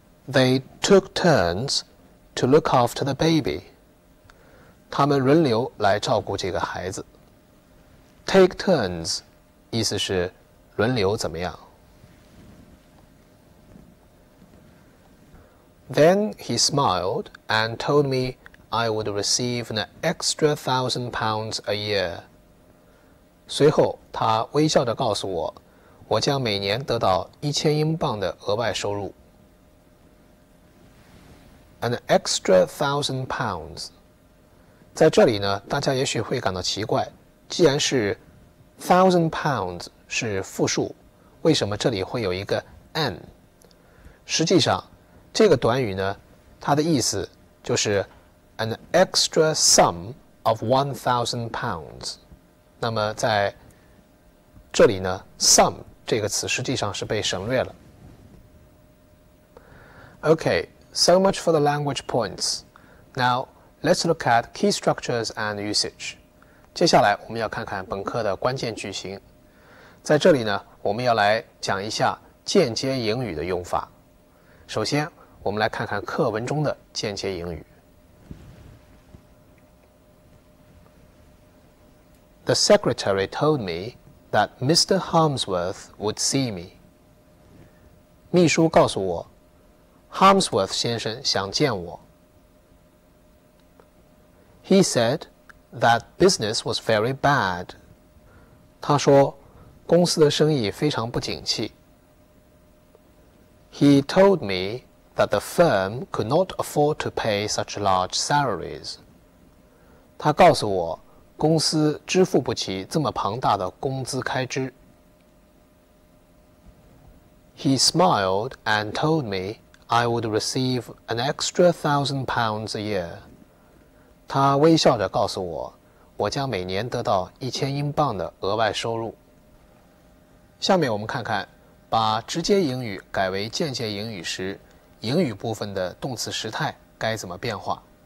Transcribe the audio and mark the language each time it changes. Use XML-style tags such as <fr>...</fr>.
<en>They took turns to look after the baby.</en> <zh>他们轮流来照顾这个孩子。</zh> <en>Take turns</en> <zh>意思是轮流怎么样。</zh> <en>Then he smiled and told me I would receive an extra £1,000 a year.</en> <zh>随后他微笑地告诉我，我将每年得到1000英镑的额外收入。</zh> <en>An extra £1,000.</en> <zh>在这里呢，大家也许会感到奇怪，既然是 £1,000 是复数，为什么这里会有一个 an？实际上，这个短语呢，它的意思就是</zh> <en>an extra sum of £1,000.</en> <zh>那么在这里呢 ，sum 这个词实际上是被省略了。</zh> <en>OK。 So much for the language points. Now, let's look at key structures and usage.</en> <zh>接下来我们要看看本课的关键句型。在这里呢，我们要来讲一下间接引语的用法。首先，我们来看看课文中的间接引语。</zh> <en>The secretary told me that Mr. Harmsworth would see me.</en> <zh>秘书告诉我Harmsworth 先生想见我。</zh> <en>He said that business was very bad.</en> <zh>他说公司的生意非常不景气。</zh> <en>He told me that the firm could not afford to pay such large salaries.</en> <zh>他告诉我，公司支付不起这么庞大的工资开支。</zh> <en>He smiled and told me I would receive an extra £1,000 a year.</en> <zh>他微笑着告诉我，我将每年得到1000英镑的额外收入。下面我们看看，把直接引语改为间接引语时，引语部分的动词时态该怎么变化。</zh>